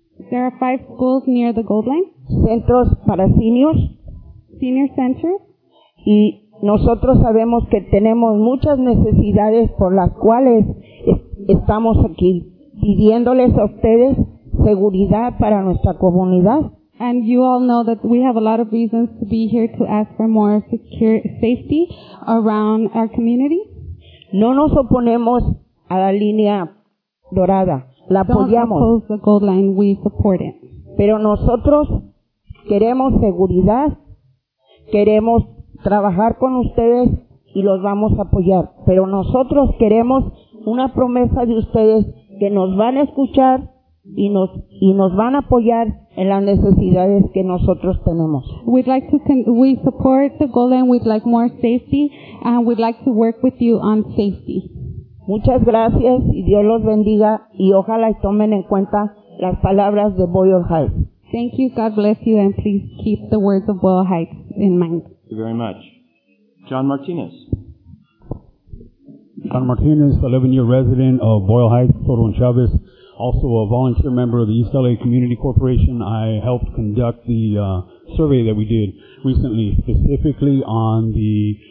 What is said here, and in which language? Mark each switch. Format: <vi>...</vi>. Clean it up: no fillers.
<en>There are five schools near the Gold Line.</en> <es>Centros para seniors.</es> <en>Senior centers.</en> <es>Y nosotros sabemos que tenemos muchas necesidades por las cuales estamos aquí pidiéndoles a ustedes seguridad para nuestra comunidad.</es> <en>And you all know that we have a lot of reasons to be here to ask for more secure safety around our community.</en> <es>No nos oponemos a la línea dorada. La apoyamos.</es> <en>Don't oppose the Gold Line, we support it.</en> <es>Pero nosotros queremos seguridad, queremos trabajar con ustedes y los vamos a apoyar. Pero nosotros queremos una promesa de ustedes que nos van a escuchar y nos van a apoyar en las necesidades que nosotros tenemos.</es> <en>We support the Gold Line, we'd like more safety, and we'd like to work with you on safety.</en> <es>Muchas gracias y Dios los bendiga y ojalá y tomen en cuenta las palabras de Boyle Heights.</es> <en>Thank you, God bless you, and please keep the words of Boyle Heights in mind. Thank you very much. John Martinez. John Martinez, 11-year resident of Boyle Heights, Soto and Chavez, also a volunteer member of the East LA Community Corporation. I helped conduct the survey that we did recently, specifically on the</en>